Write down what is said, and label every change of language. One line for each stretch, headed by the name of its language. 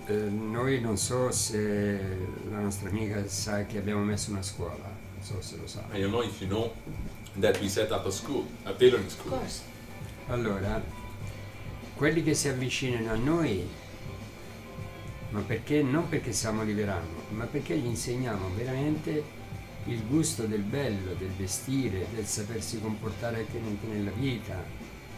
Italian: Noi non so se la nostra amica sa che abbiamo messo una scuola, non so se lo sa.
English: I don't know if you know that we set up a school, a tailoring school. Of course.
Italian: Allora, quelli che si avvicinano a noi, ma perché? Non perché siamo Liverano, ma perché gli insegniamo veramente il gusto del bello, del vestire, del sapersi comportare anche nella vita.